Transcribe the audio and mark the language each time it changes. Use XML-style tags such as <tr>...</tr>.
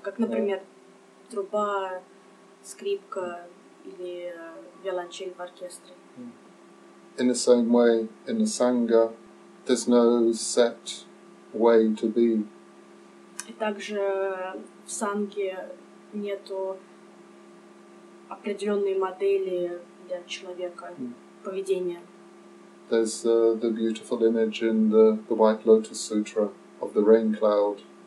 <ru>Как, например, труба, скрипка или виолончель в оркестре.</ru> <en>In the same way, in the sangha, there's no set way to be.</en> <ru>И также в санге нету определенной модели для человека поведения.</ru> <en>There's the beautiful image in the White Lotus Sutra of the rain cloud.</en>